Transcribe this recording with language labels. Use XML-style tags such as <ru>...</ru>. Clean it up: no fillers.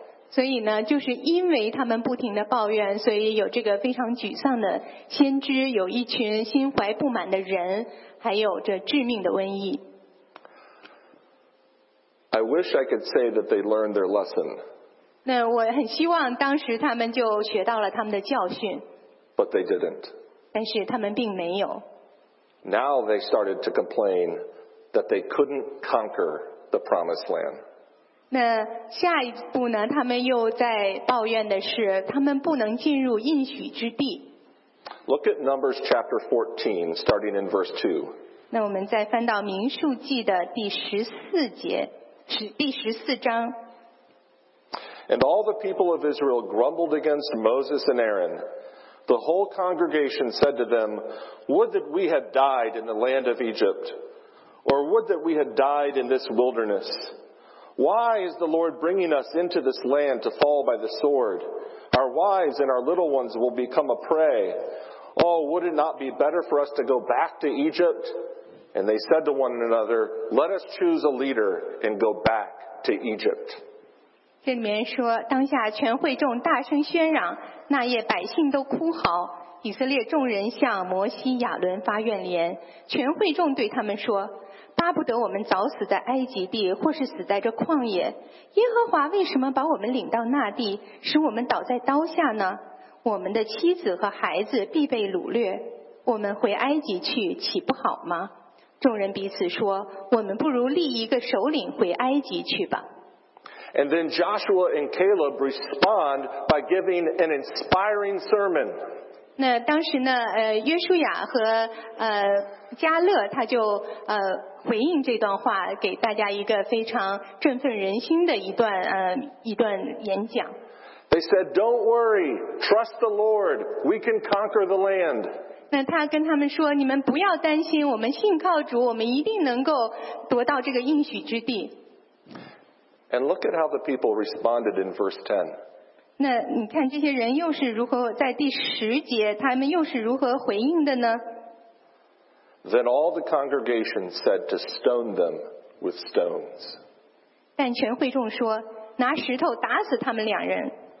<zh>所以呢，就是因为他们不停的抱怨，所以有这个非常沮丧的先知，有一群心怀不满的人，还有这致命的瘟疫。</zh> <en>I wish I could say that they learned their lesson.</en> <zh>那我很希望当时他们就学到了他们的教训。</zh> <en>But they didn't.</en> <zh>但是他们并没有。</zh> <en>Now they started to complain that they couldn't conquer the promised land.</en> <zh>那下一步呢？他们又在抱怨的是，他们不能进入应许之地。</zh> <en>Look at Numbers chapter 14, starting in verse 2.</en> <zh>那我们再翻到民数记的第十四章。</zh> <en>And all the people of Israel grumbled against Moses and Aaron. The whole congregation said to them, Would that we had died in the land of Egypt, or would that we had died in this wilderness. Why is the Lord bringing us into this land to fall by the sword? Our wives and our little ones will become a prey. Oh, would it not be better for us to go back to Egypt? And they said to one another, Let us choose a leader and go back to Egypt.</en> <zh>这里面说，当下全会众大声喧嚷，那夜百姓都哭嚎，以色列众人向摩西、亚伦发怨言。全会众对他们说：“巴不得我们早死在埃及地，或是死在这旷野。耶和华为什么把我们领到那地，使我们倒在刀下呢？我们的妻子和孩子必被掳掠，我们回埃及去，岂不好吗？” 众人彼此说：“我们不如立一个首领回埃及去吧。”</zh> <en>And then Joshua and Caleb respond by giving an inspiring sermon.</en> <zh>那当时呢，约书亚和加勒他就回应这段话，给大家一个非常振奋人心的一段演讲。</zh> <en>They said, "Don't worry, trust the Lord. We can conquer the land."</en> <zh>那他跟他们说，你们不要担心，我们信靠主，我们一定能够夺到这个应许之地。</zh> <en>And look at how the people responded in verse 10.</en> <zh>那你看这些人又是如何在第十节，他们又是如何回应的呢？</zh> <en>Then all the congregation said to stone them with stones.</en> <zh>但全会众说，拿石头打死他们两人。</zh>